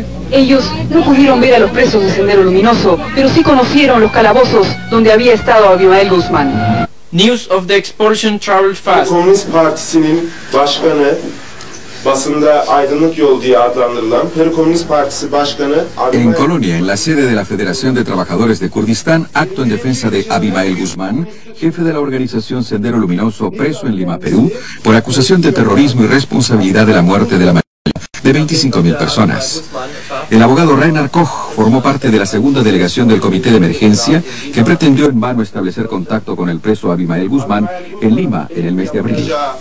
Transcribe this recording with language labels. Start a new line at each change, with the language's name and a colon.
Spanish: Ellos no pudieron ver a los presos de Sendero Luminoso, pero sí conocieron los calabozos donde había estado Abimael Guzmán.
English: News of the expulsion traveled fast.
Turkish: Komünist Partisi'nin başkanı, basında Aydınlık Yol diye adlandırılan Peru Komünist Partisi başkanı
Spanish: Abimael. En Colonia, en la sede de la Federación de Trabajadores de Kurdistán, acto en defensa de Abimael Guzmán, jefe de la organización Sendero Luminoso, preso en Lima, Perú, por acusación de terrorismo y responsabilidad de la muerte de la de 25.000 personas. El abogado Reinhard Koch formó parte de la segunda delegación del Comité de Emergencia que pretendió en vano establecer contacto con el preso Abimael Guzmán en Lima en el mes de abril.